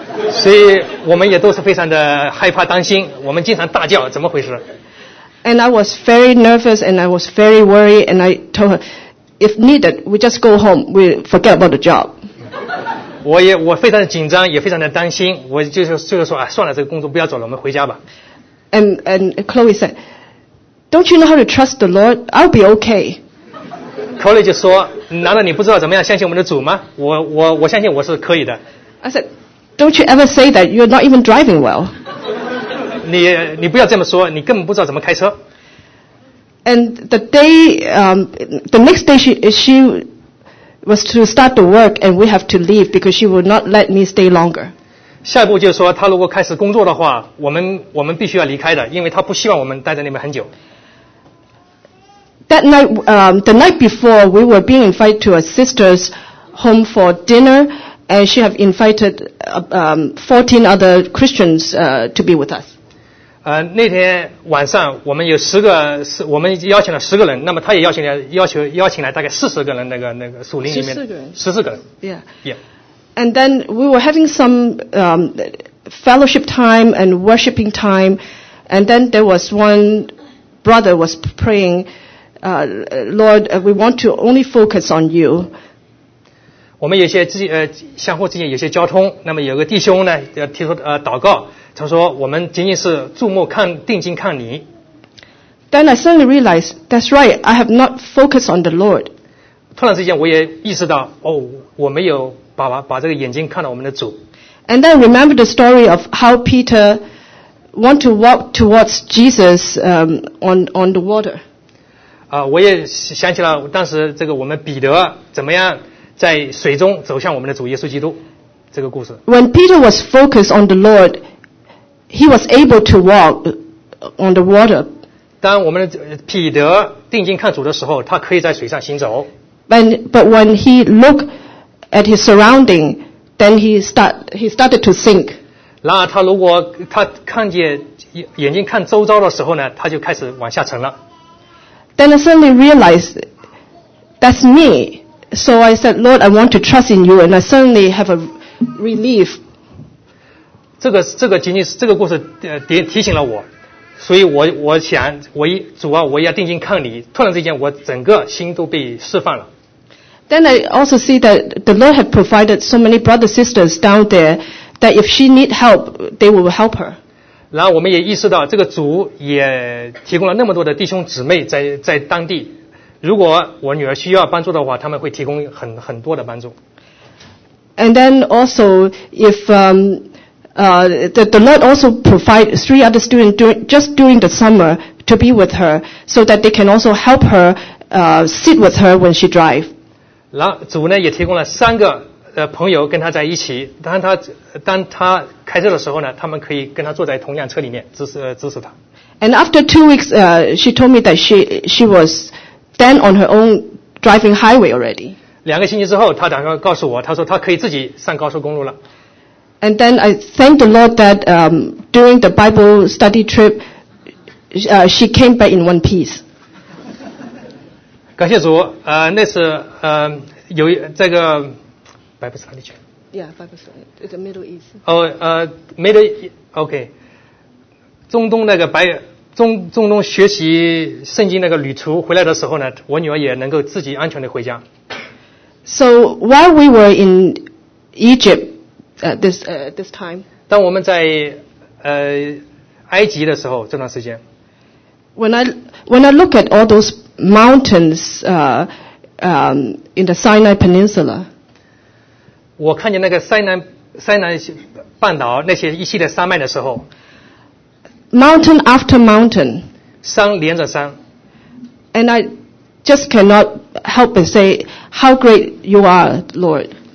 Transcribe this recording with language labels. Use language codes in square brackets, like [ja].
[zh] 所以我们也都是非常的害怕、担心，我们经常大叫，怎么回事 [en] ？And I was very nervous, and I was very worried, and I told her, if needed, we just go home. We forget about the job. [zh] 我非常的紧张，也非常的担心，我就是说，哎，算了，这个工作不要走了，我们回家吧。 [en] And Chloe said. Don't you know how to trust the Lord? I'll be okay. [zh] Chloe 就说，难道你不知道怎么样相信我们的主吗？我相信我是可以的。 [en] I said, don't you ever say that you're not even driving well. [zh] 你不要这么说，你根本不知道怎么开车。 [en] And the next day she was to start the work and we have to leave because she would not let me stay longer. [zh] 下一步就是说，他如果开始工作的话，我们必须要离开的，因为他不希望我们待在那边很久。 [en] That night, the night before, we were being invited to a sister's home for dinner, and she have invited 14 other Christians to be with us. [zh] 那天晚上我们有我们邀请了十个人，那么他也邀请来大概40个人那个属灵里面 14个人 [en] ，Yeah. And then we were having some fellowship time and worshiping time, and then there was one brother was praying, Lord, we want to only focus on you. [zh] 我们有些相互之间有些交通，那么有个弟兄呢提出祷告，他说我们仅仅是注目看定睛看你。 [en] Then I suddenly realized that's right, I have not focused on the Lord. [zh] 突然之间我也意识到，哦，我没有。把这个眼睛看到我们的主。 [en] And then remember the story of how Peter want to walk towards Jesus on the water. [zh] 我也想起了当时这个我们彼得怎么样在水中走向我们的主耶稣基督这个故事。 [en] When Peter was focused on the Lord, he was able to walk on the water. [zh] 当我们的彼得定睛看主的时候，他可以在水上行走。 [en] But when he looked at his surrounding, then he started to sink. [zh] 然而他如果他看见眼睛看周遭的时候呢，他就开始往下沉了。 [en] Then I suddenly realized that's me. So I said, Lord, I want to trust in you, and I suddenly have a relief. [zh] 这个故事提醒了我，所以我想我主啊，我要定睛看你。突然之间，我整个心都被释放了。 [en] Then I also see that the Lord had provided so many brothers and sisters down there that if she need help, they will help her. [zh] 然后我们也意识到，这个主也提供了那么多的弟兄姊妹在当地。如果我女儿需要帮助的话，他们会提供很多的帮助。 [en] And then also, if the Lord also provide three other students during the summer to be with her, so that they can also help her sit with her when she drives. [zh] 然后主呢也提供了三个朋友跟他在一起，当他开车的时候呢，他们可以跟他坐在同辆车里面支持他。 [en] And after 2 weeks, she told me that she was then on her own driving highway already. [zh] 两个星期之后，他打算告诉我，他说他可以自己上高速公路了。 [en] And then I thanked the Lord that during the Bible study trip, she came back in one piece. [zh] 感谢主，那是有这个。 [en] Bible study trip. Yeah, Bible study. It's the Middle East. Middle East. Okay. [zh] 中东那个白中东学习圣经那个旅途回来的时候呢，我女儿也能够自己安全的回家。 [en] So while we were in Egypt this time. [zh] 当我们在埃及的时候，这段时间。 [en] When I look at all those mountains, in the Sinai Peninsula. [zh] 我看见那个塞南半岛那些一系列山脉的时候。 [en] Mountain after mountain. [zh] 山连着山。 [en] And I just cannot help but say, how great you are, Lord.